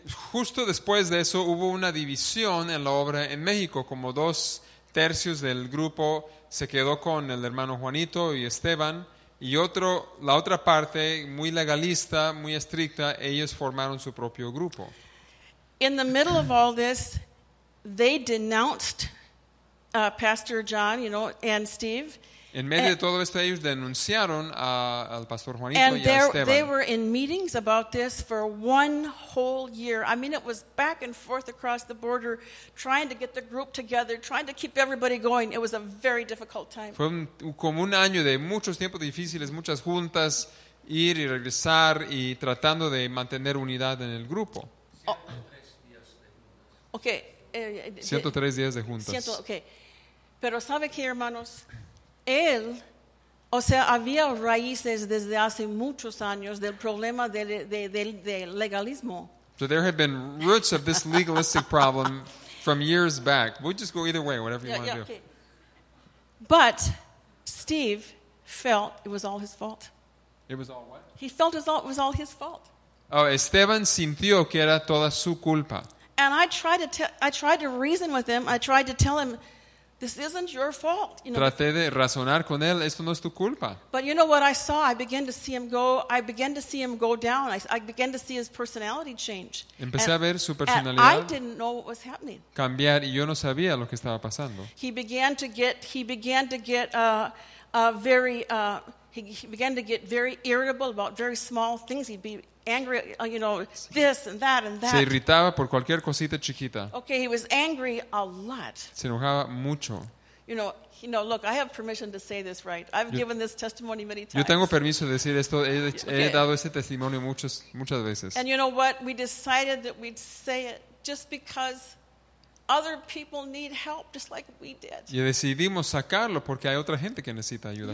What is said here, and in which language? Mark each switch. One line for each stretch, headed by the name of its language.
Spanish: Justo después de eso, hubo una división en la obra en México. Como 2/3 del grupo se quedó con el hermano Juanito y Esteban. Y otro, la otra parte, muy legalista, muy estricta, ellos formaron su propio grupo.
English: In the middle of all this, they denounced Pastor John, you know, and Steve.
Spanish: En medio de todo esto, ellos denunciaron al Pastor Juanito y a
English: Esteban. And they were in meetings about this for one whole year. I mean, it was back and forth across the border, trying to get the group together, trying to keep everybody going. It was a very difficult time.
Spanish: Fue como un año de muchos tiempos difíciles, muchas juntas, ir y regresar, y tratando de mantener unidad en el grupo.
English: Okay.
Spanish: 103 días de juntas. Okay. Pero sabe qué, hermanos? Él, o sea, había raíces desde hace muchos años del problema de legalismo.
English: So there have been roots of this legalistic problem from years back. We'll just go either way, whatever you want to do. But Steve felt it was all his fault. It was all what? He felt it was all his fault.
Spanish: Oh, Esteban sintió que era toda su culpa.
English: And I tried to reason with him. I tried to tell him, this isn't your fault. You know,
Spanish: traté de razonar con él. Esto no es tu culpa.
English: But you know what I saw? I began to see him go. I began to see him go down. I began to see his personality change.
Spanish: Empecé
English: and,
Spanish: a ver su personalidad.
English: I didn't know what was happening.
Spanish: Cambiar y yo no sabía lo que estaba pasando.
English: He began to get. He began to get a very he began to get very irritable about very small things. He'd be angry, you know, this and that and that.
Spanish: Se irritaba por cualquier cosita chiquita.
English: Okay, he was angry a lot.
Spanish: Se enojaba mucho.
English: You know, look, I have permission to say this, right? I've given this testimony many times.
Spanish: Yo tengo permiso de decir esto. He dado este testimonio muchas veces.
English: And you know what? We decided that we'd say it just because other people need help, just like we did.
Spanish: Y decidimos sacarlo porque hay otra gente que necesita ayuda,